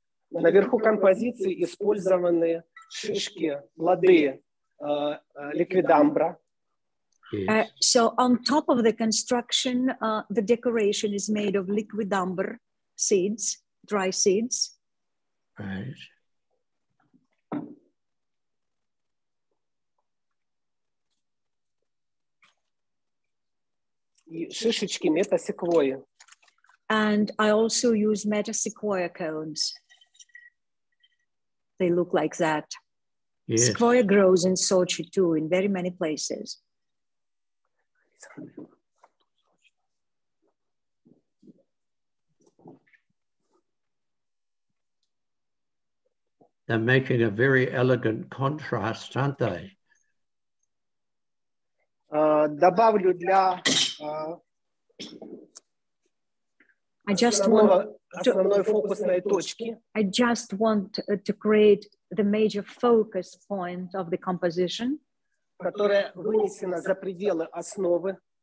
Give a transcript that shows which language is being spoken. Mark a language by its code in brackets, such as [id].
[ru] Наверху композиции использованы шишки, плоды, ликвидамбра. [en] So on top of the construction, the decoration is made of liquidambar seeds, dry seeds. Right. [ru] Шишечки метасеквои. [en] And I also use metasequoia cones. They look like that. Yes. Sequoia grows in Sochi too, in very many places. They're making a very elegant contrast, aren't they? [ru] Добавлю для [en] I just want to create the major focus point of the composition, [ru] которая вынесена за пределы основы.